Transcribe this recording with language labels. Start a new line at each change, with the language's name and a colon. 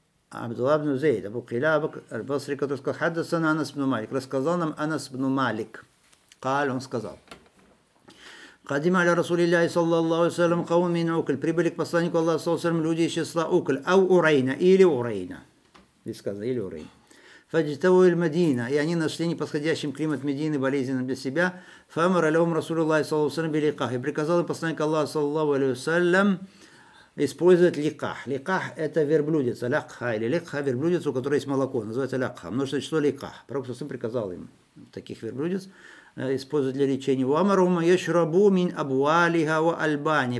Russian: Абдулла ибн Зейд, Абу Килаба, аль-Басри, который сказал, хадаса на Анас ибн Малик, рассказал нам Анас ибн Малик. قال он сказал.
Arabic: قدم على رسول الله صلى الله عليه وسلم قوم من اوكل
Russian: прибыли к посланнику Аллаха саллаллаху алейхи ва саллям люди из числа اوكل او урайна или урайна. Здесь сказано или урайна.
Arabic: فجتوا الى المدينه
Russian: и они нашли неподходящим климат Медины болезненным для себя.
Arabic: فامر لهم رسول الله صلى الله عليه وسلم بلقاح.
Russian: Приказал им посланник Аллаха саллаллаху алейхи ва саллям использовать ликах. Ликах это верблюдица, лакха или лекха верблюдица, у которой есть молоко, называется лакха. Множественное число ликах. Пророк саллаллаху алейхи ва саллям приказал им таких верблюдиц использовать для лечения.
Arabic: Уамарума ешрабу мин абуалиха ва альбани.